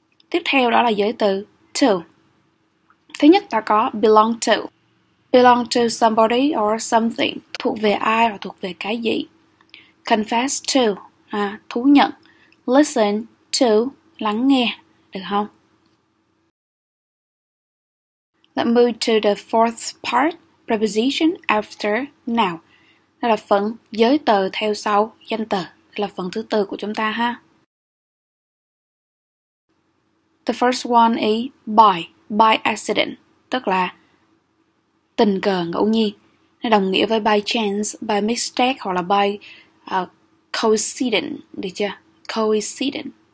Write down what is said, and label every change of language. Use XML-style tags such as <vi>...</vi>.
<vi>Tiếp theo đó là giới từ to. Thứ nhất ta có belong to.</vi> <en>Belong to somebody or something,</en> <vi>thuộc về ai hoặc thuộc về cái gì. Confess to, thú nhận. Listen to, lắng nghe, được không?</vi> <en>Let's move to the fourth part, preposition after now.</en> <vi>Đó là phần giới từ theo sau danh từ, là phần thứ tư của chúng ta ha.</vi> <en>The first one is by accident,</en> <vi>tức là tình cờ, ngẫu nhiên. Nó đồng nghĩa với</vi> <en>by chance, by mistake</en> <vi>hoặc là by coincidence, được chưa? Coincidence.</vi>